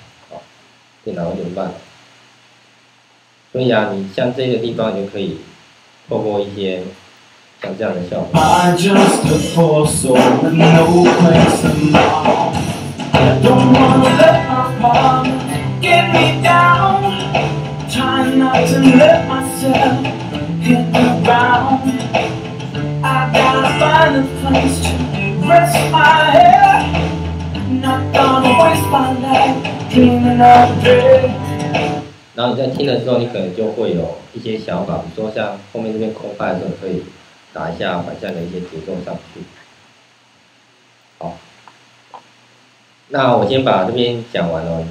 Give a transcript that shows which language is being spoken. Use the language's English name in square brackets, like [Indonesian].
[Chinese] 好，电脑有点慢。所以啊，你像这个地方就可以透过一些像这样的效果。 [English] I just a poor soul with no place in my home. I don't wanna let my mom get me down. Try not to let myself hit the ground. I gotta find a place to rest my head. Not gonna waste my life dreaming of dreams. [Chinese] 然后你在听的时候，你可能就会有一些想法，比如说像后面这边空拍的时候，可以打一下反向的一些节奏上去。好，那我先把这边讲完了。